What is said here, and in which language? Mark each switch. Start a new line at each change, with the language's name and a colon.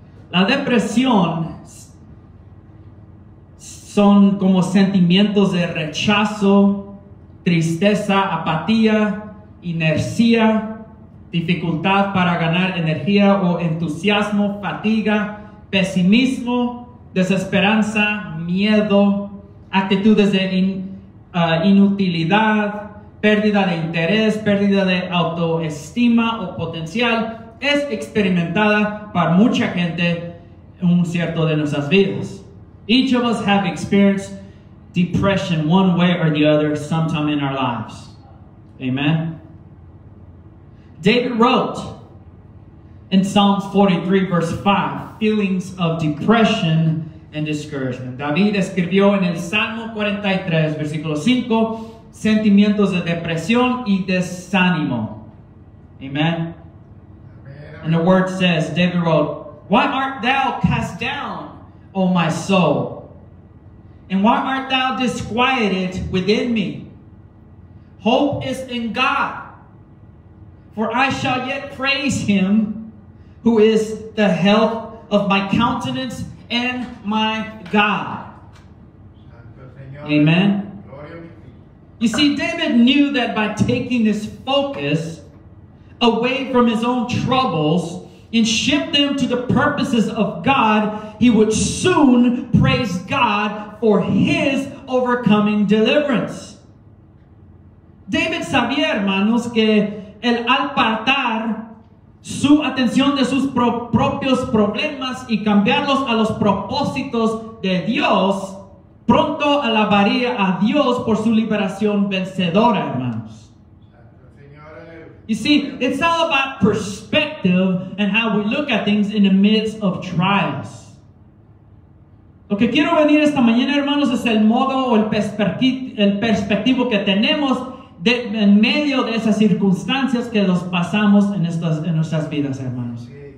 Spanish: La depresión son como sentimientos de rechazo, tristeza, apatía, inercia, dificultad para ganar energía o entusiasmo, fatiga, pesimismo, desesperanza, miedo, actitudes de inutilidad, pérdida de interés, pérdida de autoestima o potencial. Es experimentada por mucha gente en un cierto de nuestras vidas.
English: Each of us have experienced depression one way or the other sometime in our lives. Amen. David wrote in Psalms 43 verse 5, feelings of depression and discouragement.
Spanish: David escribió en el Salmo 43 versículo 5, sentimientos de depresión y desánimo.
English: Amen. And the word says, David wrote, "Why art thou cast down, O my soul? And why art thou disquieted within me? Hope is in God, for I shall yet praise him who is the health of my countenance and my God."
Spanish: Santo
English: Amen. You see, David knew that by taking his focus away from his own troubles and shift them to the purposes of God, he would soon praise God for his overcoming deliverance.
Spanish: David sabía, hermanos, que el apartar su atención de sus propios problemas y cambiarlos a los propósitos de Dios, pronto alabaría a Dios por su liberación vencedora, hermanos.
English: You see, it's all about perspective and how we look at things in the midst of trials.
Spanish: Lo que quiero venir esta mañana, hermanos, es el modo o el perspectivo que tenemos de, en medio de esas circunstancias que los pasamos en, estas, en nuestras vidas, hermanos.